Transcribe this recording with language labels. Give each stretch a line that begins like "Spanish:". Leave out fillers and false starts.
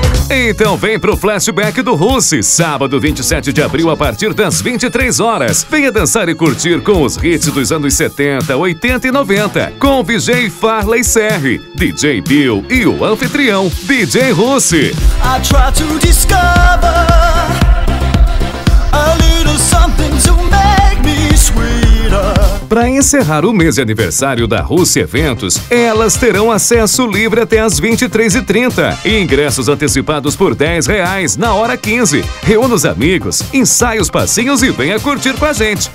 Portuguese: Então vem pro flashback do Russi, sábado 27 de abril a partir das 23 horas. Venha dançar e curtir com os hits dos anos 70, 80 e 90, com o DJ Farley Serri, DJ Bill e o anfitrião DJ Russi.
English: I try to discover a little something to make me sweeter.
Portuguese: Para encerrar o mês de aniversário da Russi Eventos, elas terão acesso livre até às 23h30 e ingressos antecipados por R$ 10,00 na hora 15. Reúna os amigos, ensaie os passinhos e venha curtir com a gente.